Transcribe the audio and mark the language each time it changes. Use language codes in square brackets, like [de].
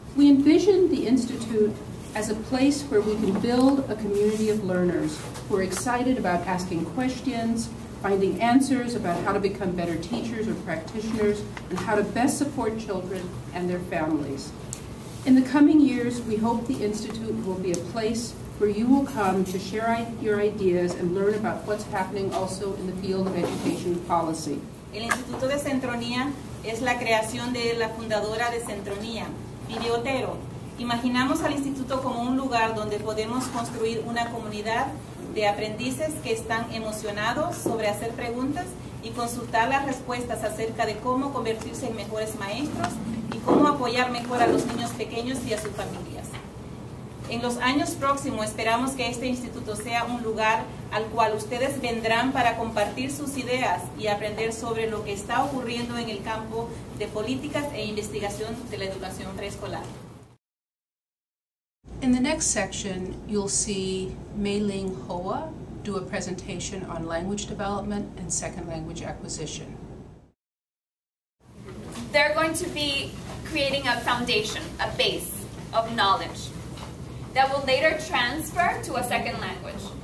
[en] We envisioned the Institute as a place where we can build a community of learners who are excited about asking questions, finding answers about how to become better teachers or practitioners, and how to best support children and their families. In the coming years, we hope the Institute will be a place where you will come to share your ideas and learn about what's happening also in the field of education policy. [es] El Instituto de CentroNía es la creación de la fundadora de CentroNía, Fidia Otero. Imaginamos al Instituto como un lugar donde podemos construir una comunidad de aprendices que están emocionados sobre hacer preguntas y consultar las respuestas acerca de cómo convertirse en mejores maestros y cómo apoyar mejor a los niños pequeños y a sus familias. En los años próximos esperamos que este instituto sea un lugar al cual ustedes vendrán para compartir sus ideas y aprender sobre lo que está ocurriendo en el campo de políticas e investigación de la educación preescolar. [en] In the next section, you'll see Mei-Ling Hoa do a presentation on language development and second language acquisition. They're going to be creating a foundation, a base of knowledge that will later transfer to a second language.